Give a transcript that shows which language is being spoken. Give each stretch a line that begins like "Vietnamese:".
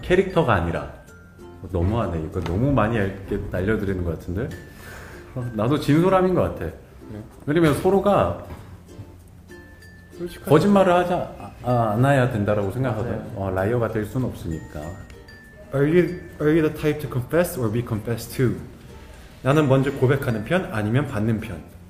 Korean: 캐릭터가 아니라. 너무하네. 이거 너무 많이 날려드리는 것 같은데. 나도 진솔함인 것 같아. 왜냐면 서로가 솔직하게 거짓말을 하지 않아야 된다라고 생각하거든. 라이어가 될 순 없으니까.
English: Are you the type to confess or be confessed to?
Korean: 나는 먼저 고백하는 편 아니면 받는 편?